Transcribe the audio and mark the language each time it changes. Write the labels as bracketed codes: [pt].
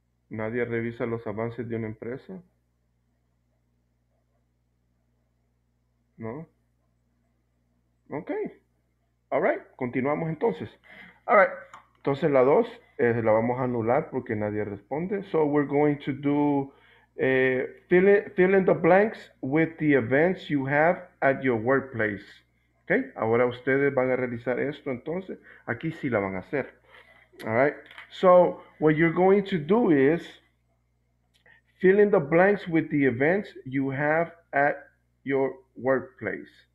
[es] ¿Nadie revisa los avances de una empresa? [en] ¿No? Ok. All right. [es] Continuamos entonces. [en] All right. [es] Entonces la 2 la vamos a anular porque nadie responde. [en] So we're going to do fill in the blanks with the events you have at your workplace. [es] Ok, ahora ustedes van a realizar esto, entonces, aquí sí la van a hacer. [en] All right, so what you're going to do is fill in the blanks with the events you have at your workplace.